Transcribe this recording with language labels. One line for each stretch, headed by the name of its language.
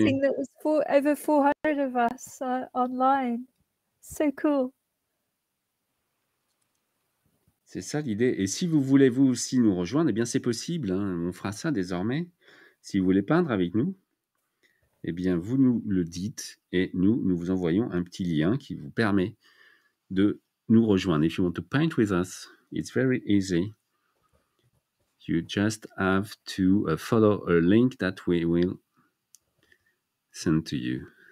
English: Amazing that was for over 400 of us online. So cool.
French: C'est ça l'idée. Et si vous voulez vous aussi nous rejoindre, eh bien c'est possible, hein. On fera ça désormais. Si vous voulez peindre avec nous, eh bien vous nous le dites et nous, nous vous envoyons un petit lien qui vous permet de nous rejoindre.
English: If you want to paint with us, it's very easy. You just have to follow a link that we will send to you.